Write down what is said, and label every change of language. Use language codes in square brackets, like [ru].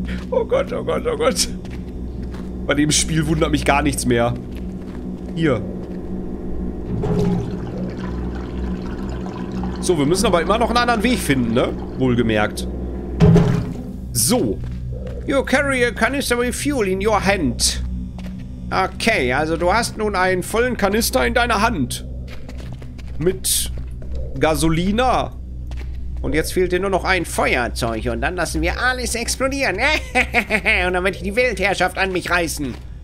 [de] Oh Gott, oh Gott, oh Gott. Bei dem Spiel wundert mich gar nichts mehr. Hier. So, wir müssen aber immer noch einen anderen Weg finden, ne? Wohlgemerkt. So. [en] You carry a canister with fuel in your hand. [de] Okay, also du hast nun einen vollen Kanister in deiner Hand. Mit Gasolina. Und jetzt fehlt dir nur noch ein Feuerzeug und dann lassen wir alles explodieren. Und dann werde ich die Weltherrschaft an mich reißen.